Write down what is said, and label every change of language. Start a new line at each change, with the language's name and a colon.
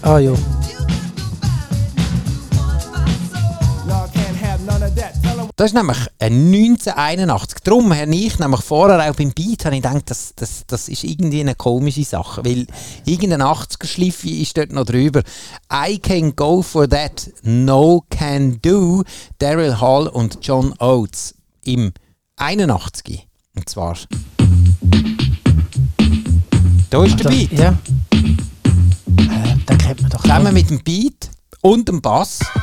German: Ah, ja. Das ist nämlich 1981. Darum habe ich nämlich vorher auch beim Beat habe ich gedacht, das ist irgendwie eine komische Sache. Weil irgendein 80er-Schliffe ist dort noch drüber.
English: I can go for that, no can do.
German: Daryl Hall und John Oates im 81. Und zwar. Da ist der Beat. Ja. Den kennt man doch. Zusammen mit dem Beat und dem Bass.